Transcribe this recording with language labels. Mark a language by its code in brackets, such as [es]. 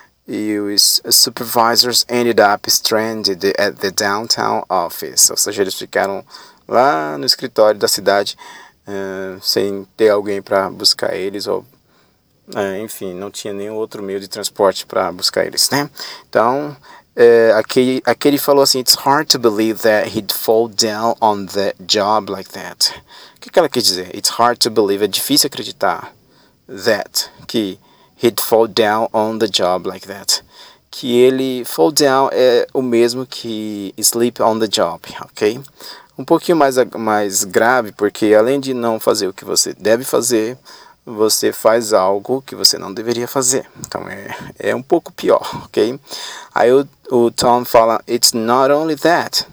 [pt] E os [en] supervisors ended up stranded at the downtown office. [pt] Ou seja, eles ficaram lá no escritório da cidade sem ter alguém para buscar eles. Ou, enfim, não tinha nenhum outro meio de transporte para buscar eles, né? Então, aquele falou assim, [en] it's hard to believe that he'd fall down on the job like that. [pt] O que ela quer dizer? [en] It's hard to believe. [pt] É difícil acreditar [en] that, [pt] que [en] he'd fall down on the job like that. [pt] Que ele [en] fall down [pt] é o mesmo que [en] sleep on the job, [pt] ok? Um pouquinho mais grave, porque além de não fazer o que você deve fazer, você faz algo que você não deveria fazer. Então é um pouco pior, ok? Aí o Tom fala, [en] it's not only that.